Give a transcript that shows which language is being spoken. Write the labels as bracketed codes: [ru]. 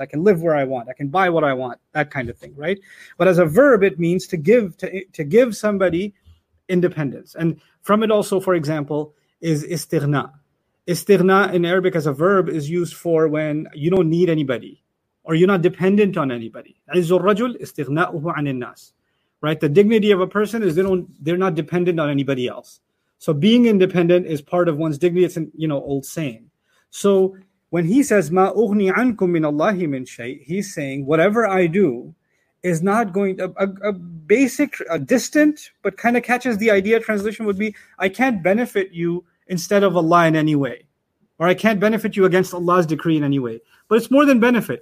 [en] I can live where I want, I can buy what I want, that kind of thing, right? But as a verb, it means to give somebody independence. And from it also, for example, is استغناء. استغناء in Arabic as a verb is used for when you don't need anybody or you're not dependent on anybody. [ar] عز الرجل استغناءه عن الناس. [en] Right? The dignity of a person is they're not dependent on anybody else. So being independent is part of one's dignity. It's an, you know, old saying. So when he says [ar] ما أغني عنكم من الله من شيء, [en] he's saying whatever I do is not going to, a distant but kind of catches the idea translation would be, I can't benefit you instead of Allah in any way, or I can't benefit you against Allah's decree in any way. But it's more than benefit.